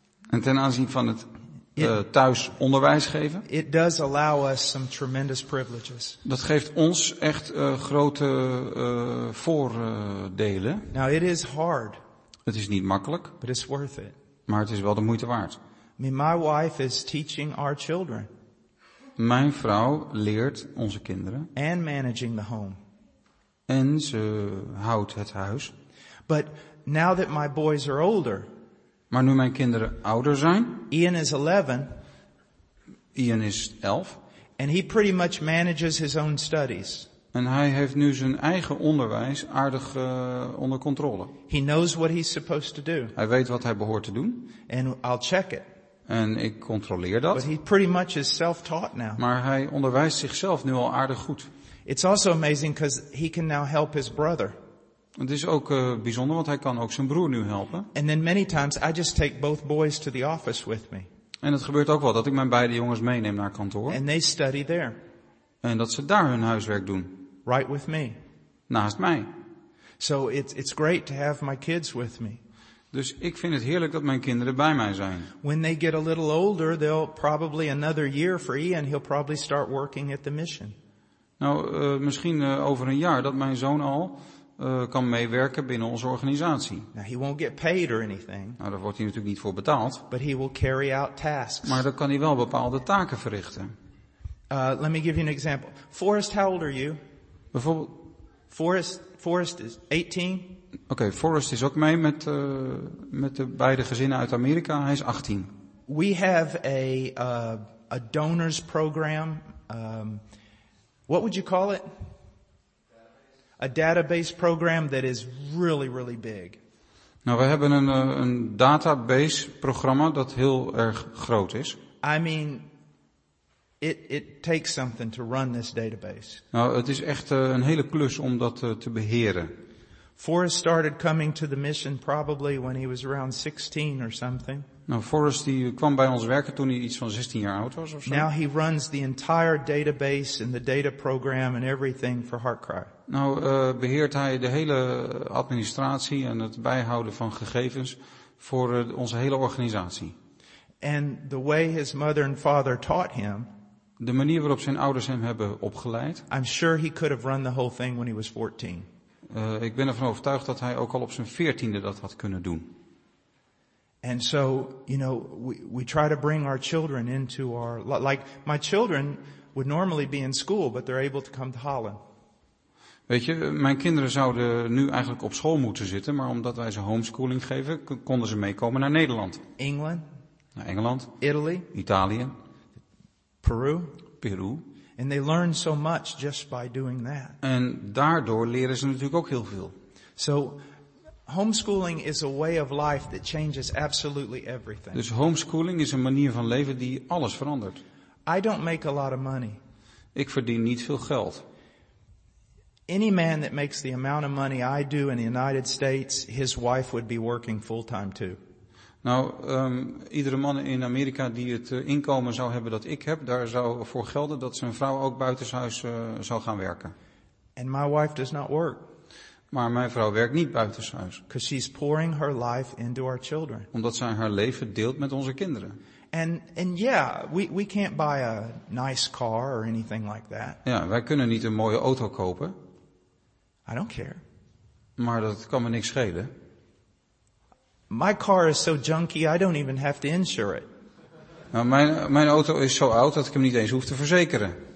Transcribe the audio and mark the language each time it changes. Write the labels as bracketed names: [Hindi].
[Dutch] En ten aanzien van het thuis onderwijs geven. [English] It does allow us some tremendous privileges. [Dutch] Dat geeft ons echt grote voordelen. [English] Now it is hard. [Dutch] Het is niet makkelijk. [English] But it's worth it. [Dutch] Maar het is wel de moeite waard. [English] I mean, my wife is teaching our children. [Dutch] Mijn vrouw leert onze kinderen. [English] And managing the home. [Dutch] En ze houdt het huis. [English] But now that my boys are older. [Dutch] Maar nu mijn kinderen ouder zijn. [English] Ian is 11. [Dutch] Ian is 11. [English] And he pretty much manages his own studies. [Dutch] En hij heeft nu zijn eigen onderwijs aardig onder controle. [English] He knows what he's supposed to do. [Dutch] Hij weet wat hij behoort te doen. [English] And I'll check it. [Dutch] En ik controleer dat. [English] But he pretty much is self-taught now. [Dutch] Maar hij onderwijst zichzelf nu al aardig goed. [English] It's also amazing because he can now help his brother. [Dutch] Het is ook bijzonder, want hij kan ook zijn broer nu helpen. [English] And then many times I just take both boys to the office with me. [Dutch] En het gebeurt ook wel dat ik mijn beide jongens meeneem naar kantoor. [English] And they study there. [Dutch] En dat ze daar hun huiswerk doen. [English] Right with me. [Dutch] Naast mij. [English] So it's great to have my kids with me. [Dutch] Dus ik vind het heerlijk dat mijn kinderen bij mij zijn. [English] When they get a little older, they'll probably another year for Ian, he'll probably start working at the mission. [Dutch] Nou, misschien over een jaar dat mijn zoon al kan meewerken binnen onze organisatie. [English] Now, he won't get paid or anything. [Dutch] Nou, daar wordt hij natuurlijk niet voor betaald. [English] But he will carry out tasks. [Dutch] Maar dan kan hij wel bepaalde taken verrichten. [English] Let me give you an example. Forrest, how old are you? [Dutch] Bijvoorbeeld. [English] Forrest is 18. [Dutch] Okay, Forrest is ook mee met de beide gezinnen uit Amerika. Hij is 18. [English] We have a donors program. What would you call it? A database program that is really, really big. [Dutch] Nou, we hebben een database programma dat heel erg groot is. [English] I mean, it takes something to run this database. [Dutch] Nou, het is echt een hele klus om dat te beheren. [English] Forrest started coming to the mission probably when he was around 16 or something. [Dutch] Nou, Forrest die kwam bij ons werken toen hij iets van 16 jaar oud was of zo. [English] Now he runs the entire database and the data program and everything for HeartCry. [Dutch] Nou, beheert hij de hele administratie en het bijhouden van gegevens voor onze hele organisatie. [English] And the way his mother and father taught him. [Dutch] De manier waarop zijn ouders hem hebben opgeleid. [English] I'm sure he could have run the whole thing when he was 14. [Dutch] Ik ben ervan overtuigd dat hij ook al op zijn 14e dat had kunnen doen. [English] And so, you know, we try to bring our children into our, like, my children would normally be in school, but they're able to come to Holland. [Dutch] Weet je, mijn kinderen zouden nu eigenlijk op school moeten zitten, maar omdat wij ze homeschooling geven, konden ze meekomen naar Nederland. [English] England. [Dutch] Naar Engeland. [English] Italy. [Dutch] Italië. [English] Peru. [Dutch] Peru. [English] And they learn so much just by doing that. [Dutch] En daardoor leren ze natuurlijk ook heel veel. [English] So, homeschooling is a way of life that changes absolutely everything. [Dutch] Dus homeschooling is een manier van leven die alles verandert. [English] I don't make a lot of money. [Dutch] Ik verdien niet veel geld. [English] Any man that makes the amount of money I do in the United States, his wife would be working full-time too. [Dutch] Nou, iedere man in Amerika die het inkomen zou hebben dat ik heb, daar zou voor gelden dat zijn vrouw ook buitenshuis zou gaan werken. [English] And my wife does not work. [Dutch] Maar mijn vrouw werkt niet buitenshuis. [English] Because she's pouring her life into our children. [Dutch] Omdat zij haar leven deelt met onze kinderen. [English] And yeah, we can't buy a nice car or anything like that. [Dutch] Ja, wij kunnen niet een mooie auto kopen. [English] I don't care. [Dutch] Maar dat kan me niks schelen. [English] My car is so junky, I don't even have to insure it. [Dutch] Nou, mijn auto is zo oud dat ik hem niet eens hoef te verzekeren.